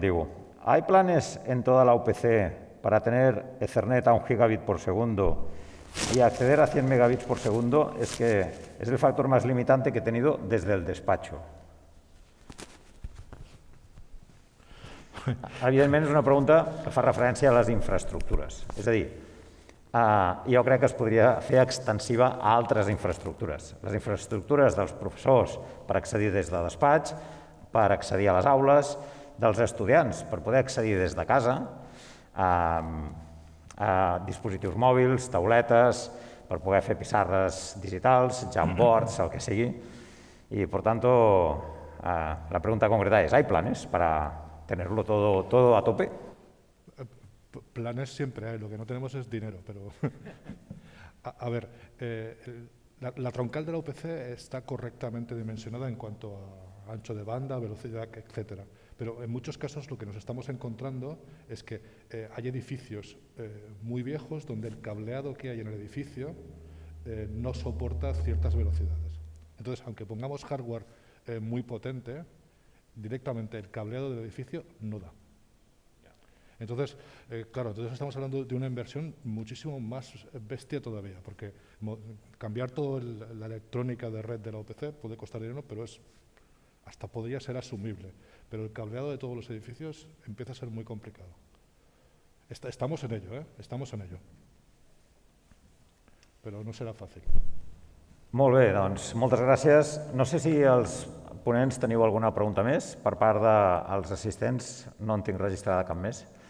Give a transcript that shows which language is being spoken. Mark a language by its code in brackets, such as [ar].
[ca] Diu: [es] ¿Hay planes en toda la UPC para tener Ethernet a 1 gigabit por segundo y acceder a 100 megabits por segundo? Es que es el factor más limitante que he tenido desde el despacho. [ca] Evidentment, és una pregunta que fa referència a les infraestructures. És a dir, jo crec que es podria fer extensiva a altres infraestructures. Les infraestructures dels professors per accedir des de despatx, per accedir a les aules, dels estudiants per poder accedir des de casa, a dispositius mòbils, tauletes, per poder fer pissarres digitals, jamboards, el que sigui. I, per tant, la pregunta concreta és: [es] ¿hay planes para tenerlo todo a tope? Planes siempre hay, lo que no tenemos es dinero, pero... A ver, la troncal de la UPC está correctamente dimensionada en cuanto a ancho de banda, velocidad, etcétera. Pero en muchos casos lo que nos estamos encontrando es que hay edificios muy viejos donde el cableado que hay en el edificio no soporta ciertas velocidades. Entonces, aunque pongamos hardware muy potente, directamente el cableado del edificio no da. Entonces, entonces estamos hablando de una inversión muchísimo más bestia todavía, porque cambiar toda la electrónica de red de la UPC puede costar dinero, pero hasta podría ser asumible. Pero el cableado de todos los edificios empieza a ser muy complicado. Estamos en ello, estamos en ello. Pero no será fácil. [ca] Molt bé, doncs, moltes gràcies. No sé si els ponents teniu alguna pregunta més. Per part dels assistents, no en tinc registrada cap més.